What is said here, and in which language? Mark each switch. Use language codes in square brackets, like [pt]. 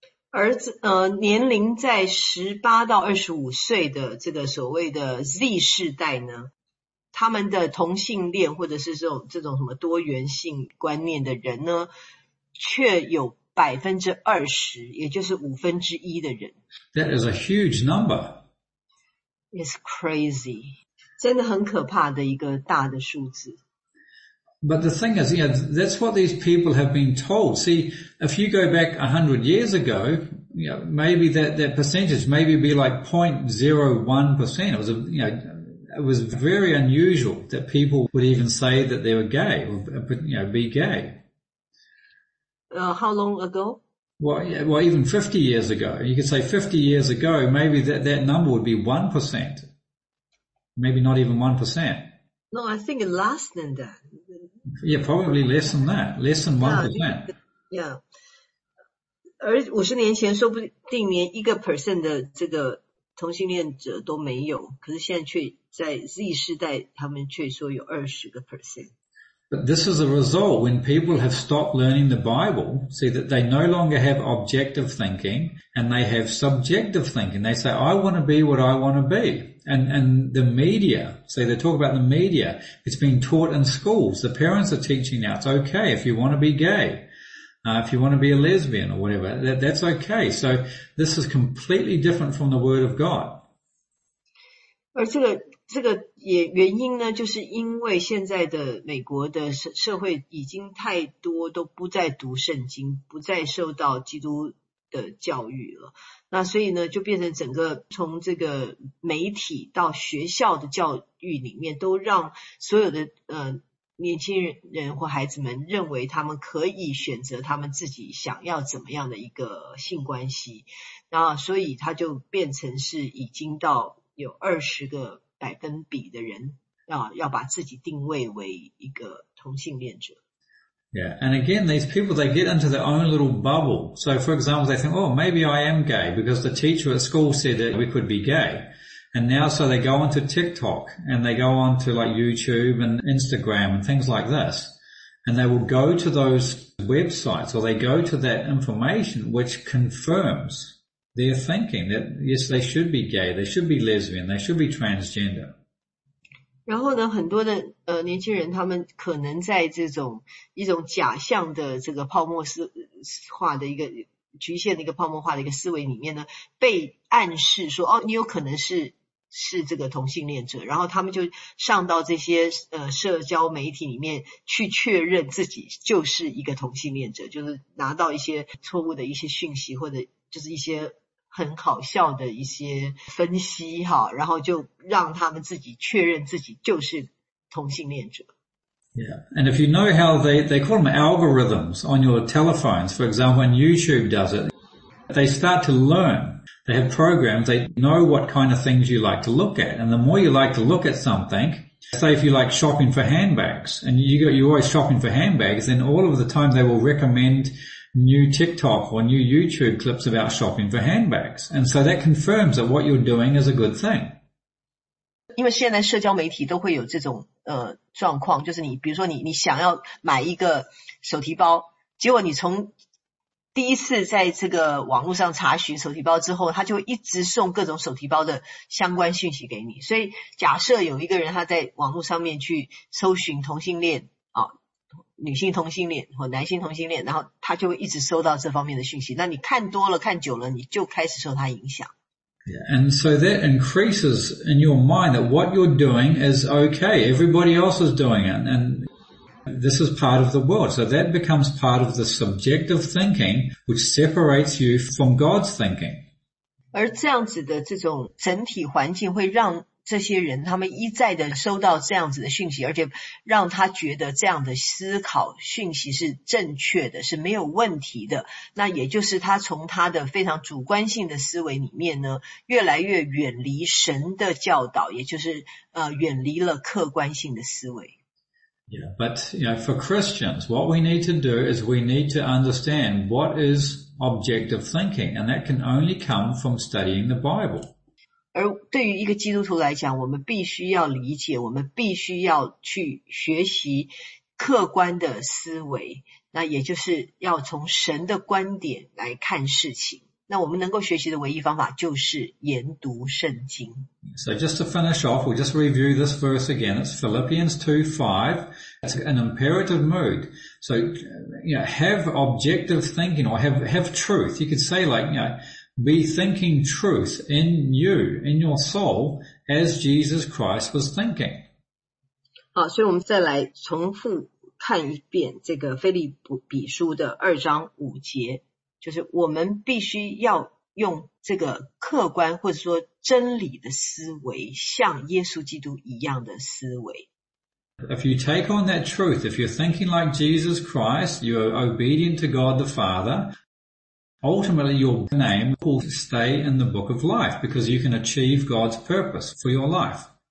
[zh] 而年龄在18到25岁的这个所谓的 Z 世代呢，他们的同性恋或者是这种什么多元性观念的人呢，却有 20%， 也就是五分之一的人。 [en] That is a huge number. It's crazy. [zh] 真的很可怕的一个大的数字。 [en] But the thing is, you know, that's what these people have been told. See, if you go back 100 years ago, you know, maybe that percentage maybe be like 0.01%. It was very unusual that people would even say that they were gay or, you know, be gay. How long ago? Well, even 50 years ago. You could say 50 years ago, maybe that number would be 1%. Maybe not even 1%. No, I think less than that. Yeah, probably less than that. Less than 1%. Yeah. [zh] 而50年前说不定连1%的这个同性恋者都没有，可是现在却在 Z 世代他们却说有20%。 [en] But this is a result when people have stopped learning the Bible, see that they no longer have objective thinking and they have subjective thinking. They say, I want to be what I want to be. And the media, see, they talk about the media. It's being taught in schools. The parents are teaching now. It's okay if you want to be gay, if you want to be a lesbian or whatever, that's okay. So this is completely different from the Word of God. [zh] 而这个也原因呢，就是因为现在的美国的社会已经太多都不再读圣经，不再受到基督的教育了。那所以呢，就变成整个从这个媒体到学校的教育里面，都让所有的年轻人或孩子们认为他们可以选择他们自己想要怎么样的一个性关系。那所以他就变成是已经到有20%的人要把自己定位为一个同性恋者。 [en] Yeah, and again, these people, they get into their own little bubble. So, for example, they think, oh, maybe I am gay because the teacher at school said that we could be gay. And now, so they go onto TikTok and they go onto like YouTube and Instagram and things like this. And they will go to those websites or they go to that information which confirms their thinking that, yes, they should be gay, they should be lesbian, they should be transgender. [zh] 然后呢，很多的年轻人，他们可能在这种一种假象的这个泡沫化的一个局限的一个泡沫化的一个思维里面呢，被暗示说，哦，你有可能是这个同性恋者，然后他们就上到这些社交媒体里面去确认自己就是一个同性恋者，就是拿到一些错误的一些讯息或者就是一些很好笑的一些分析哈，然后就让他们自己确认自己就是同性恋者。 [en] Yeah, and if you know how they call them algorithms on your telephones, for example, when YouTube does it, they start to learn. They have programs, they know what kind of things you like to look at. And the more you like to look at something, Say if you like shopping for handbags and you're always shopping for handbags, then all of the time they will recommend new TikTok or new YouTube clips about shopping for handbags. And so that confirms that what you're doing is a good thing. [zh] 因为现在社交媒体都会有这种状况，就是你比如说你想要买一个手提包，结果你从第一次在这个网络上查询手提包之后，他就一直送各种手提包的相关讯息给你。所以假设有一个人他在网络上面去搜寻同性恋啊，女性同性恋或男性同性恋，然后他就一直收到这方面的讯息，那你看多了看久了你就开始受他影响。 [en] Yeah, and so that increases in your mind that what you're doing is okay. Everybody else is doing it. And this is part of the world. So that becomes part of the subjective thinking, which separates you from God's thinking. [zh] 而这样子的这种整体环境会让这些人他们一再的收到这样子的讯息，而且让他觉得这样的思考讯息是正确的，是没有问题的。那也就是他从他的非常主观性的思维里面呢，越来越远离神的教导，也就是远离了客观性的思维。 [en] Yeah, but you know, for Christians, what we need to do is we need to understand what is objective thinking, and that can only come from studying the Bible. [zh] 而对于一个基督徒来讲，我们必须要理解，我们必须要去学习客观的思维，那也就是要从神的观点来看事情。那我们能够学习的唯一方法就是研读圣经。 [en] So just to finish off, we'll just review this verse again. It's Philippians 2:5. It's an imperative mood. So, you know, have objective thinking or have truth. You could say like, you know,Be thinking truth in you, in your soul, as Jesus Christ was thinking. [zh] 好，所以我们再来重复看一遍这个腓立比书的二章五节，就是我们必须要用这个客观或者说真理的思维，像耶稣基督一样的思维。 [en] If you take on that truth, if you're thinking like Jesus Christ, you're obedient to God the Father,Ultimately, your name will stay in the book of life because you can achieve God's purpose for your life.